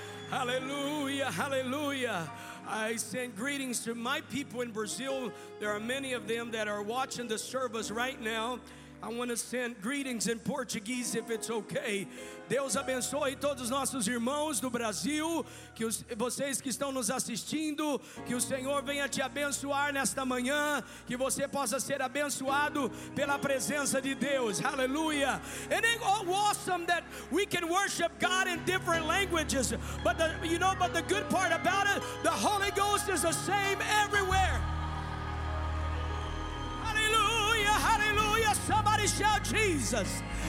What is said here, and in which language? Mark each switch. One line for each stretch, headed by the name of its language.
English: Hallelujah, hallelujah. I send greetings to my people in Brazil. There are many of them that are watching the service right now. I want to send greetings in Portuguese, if it's okay.
Portuguese: Deus abençoe todos nossos irmãos do Brasil, que vocês que estão nos assistindo, que o Senhor venha te abençoar nesta manhã, que você possa ser abençoado pela presença de Deus.
English: Hallelujah. And it's awesome that we can worship God in different languages. But the good part about it, the Holy Ghost is the same everywhere. Hallelujah, hallelujah. Somebody shout Jesus.